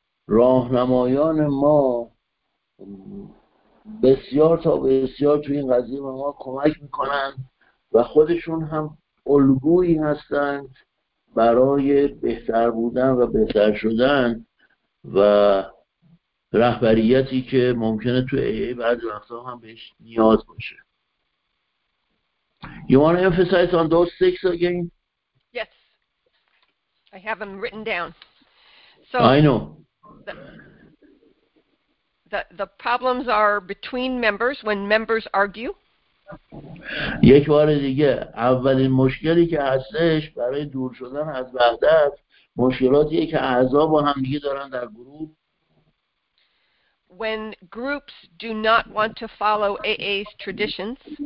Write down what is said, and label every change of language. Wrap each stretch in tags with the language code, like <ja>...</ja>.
<fa>راهنمایان ما بسیار تا بسیار توی این قضیه ما کمک میکنن و خودشون هم الگویی هستند برای بهتر بودن و بهتر شدن و رهبریتی که ممکنه توی ای بعضی وقتا هم بهش نیاز باشه.</fa> <en>You want to emphasize on those six again? Yes. I have them written down. So I know. The problems are between members when members argue.</en> <fa>یک بار دیگه اولین مشکلی که هستش برای دور شدن از وحدت مشکلاتیه که اعضا با هم دیگه دارن در گروه.</fa> <en>When groups do not want to follow AA's traditions.</en>